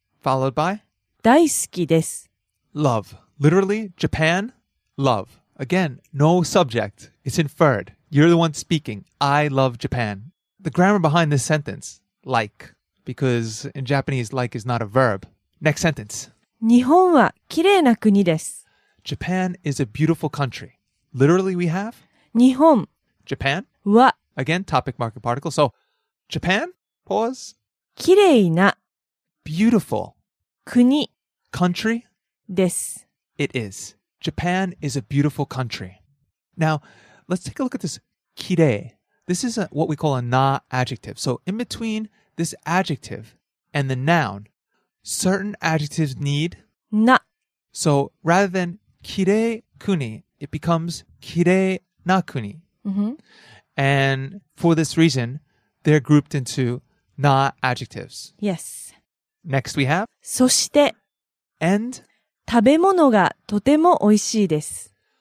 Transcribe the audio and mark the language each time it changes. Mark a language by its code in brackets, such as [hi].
[en] Followed by? [ja] 大好きです。 [en] Love. Literally, Japan, love. Again, no subject. It's inferred. You're the one speaking. I love Japan. The grammar behind this sentence, like, because in Japanese, like is not a verb. Next sentence. [ja] 日本はきれいな国です。 [en] Japan is a beautiful country. Literally, we have? [ja] 日本。 [en] Japan? [ja] は。 [en] Again, topic marking particle. So, Japan? Pause. [ja] きれいな。 [en] beautiful. [ja] 国 [en] country? [ja] です. [en] It is. Japan is a beautiful country. Now, let's take a look at this kirei. This is a, what we call a na adjective. So in between this adjective and the noun, certain adjectives need na. So rather than kirei kuni, it becomes kirei na kuni. Mm-hmm. And for this reason, they're grouped into na adjectives. Yes. Next we have [ja] そして [en] and [ja] 食べ物がとても美味しいです.